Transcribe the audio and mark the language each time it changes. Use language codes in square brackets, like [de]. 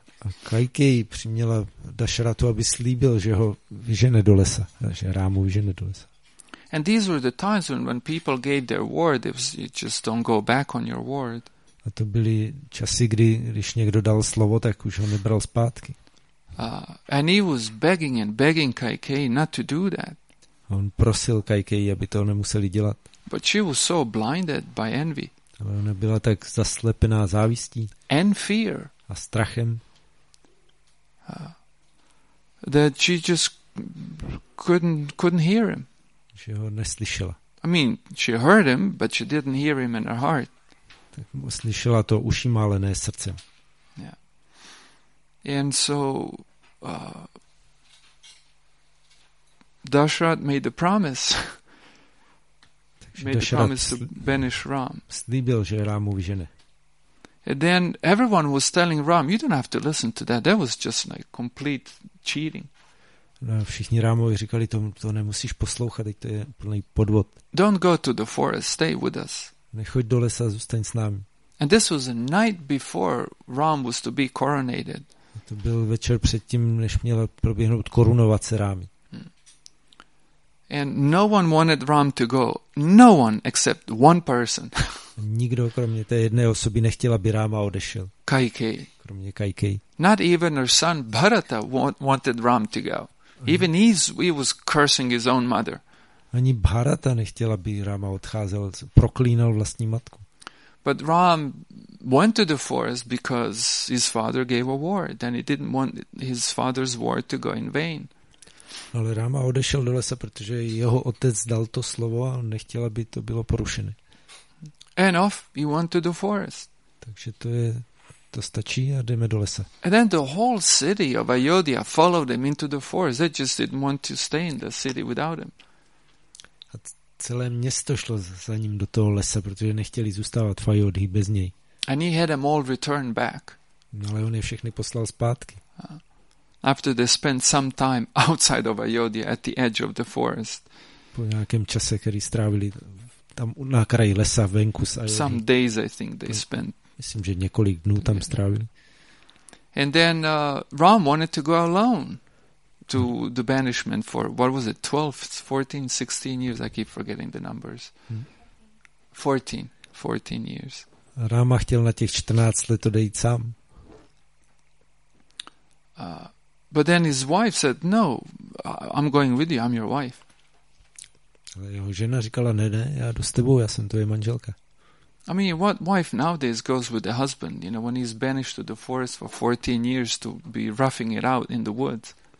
[cs] A Kaikeyi přiměla Dasharathu, aby slíbil, že ho vyžene do lesa, že Rámu vyžene do lesa. [en] And these were the times when people gave their word, if you just don't go back on your word. [cs] A to byly časy, kdy když někdo dal slovo, tak už ho nebral zpátky. [en] And he was begging and begging Kaikeyi not to do that. [cs] on prosil Kaikeyi, aby to nemuseli dělat. [en] But she was so blinded by envy. [cs] Ale ona byla tak zaslepená závistí. [en] And fear. [cs] A strachem. [en] That she just couldn't hear him. [cs] Že ho neslyšela. [en] I mean, she heard him, but she didn't hear him in her heart. [cs] Tak slyšela to ušima, ale ne srdcem. [en] Yeah. And so Dashrath made the promise. Made the promise to banish Ram. [cs] Slíbil, že Rámu vyžene. [en] And then everyone was telling Ram, you don't have to listen to that. That was just like complete cheating. [cs] No, všichni Rámovi říkali, to nemusíš poslouchat, teď to je plný podvod. [en] Don't go to the forest, stay with us. [cs] Nechoď do lesa, zůstaň s námi. [en] And this was a night before Ram was to be coronated. [cs] A to byl večer předtím, než měla proběhnout korunovace Rámy. [en] And no one wanted Ram to go. No one except one person. [cs] Nikdo kromě té jedné osoby nechtěl, aby Ráma odešel. [en] Kaikeyi. [cs] Kromě Kaikeyi. [en] Not even her son Bharata wanted Ram to go. Even he was cursing his own mother. [cs] Ani Bharata nechtěl, aby Ráma odcházel, proklínal vlastní matku. [en] But Ram went to the forest because his father gave a word and he didn't want his father's word to go in vain. [cs] Ale Ráma odešel do lesa, protože jeho otec dal to slovo a nechtěl, aby to bylo porušené. [en] And off he went to the forest. [cs] Takže to stačí a jdeme do lesa. [en] And then the whole city of Ayodhya followed him into the forest. They just didn't want to stay in the city without him. [cs] A celé město šlo za ním do toho lesa, protože nechtěli zůstávat v Ayodhyi bez něj. [en] And he had them all returned back. [cs] No, ale on je všechny poslal zpátky. [en] After they spent some time outside of Ayodhya at the edge of the forest. [cs] Po nějakém čase, který strávili tam na kraji lesa venku. [en] Some days I think they spent. [cs] Myslím, že několik dnů tam strávili. [en] And then Ram wanted to go alone to the banishment for what was it 12 14 16 years I keep forgetting the numbers. 14 years. [cs] Ráma chtěl na těch 14 let odejít sám. [en] But then his wife said, no, I'm going with you, I'm your wife. [cs] Ale jeho žena říkala, ne, já jdu s tebou, já jsem tvoje manželka. [en] I mean, what wife nowadays goes with the husband, you know, when he's banished to the forest for 14 years to be roughing it out in the woods?